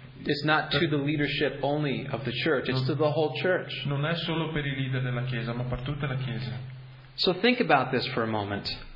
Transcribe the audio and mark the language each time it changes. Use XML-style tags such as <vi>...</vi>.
<en>It's not to the leadership only of the church. It's to the whole church.</en> <it>Non è solo per i leader della chiesa, ma per tutta la chiesa.</it> <en>So think about this for a moment.</en>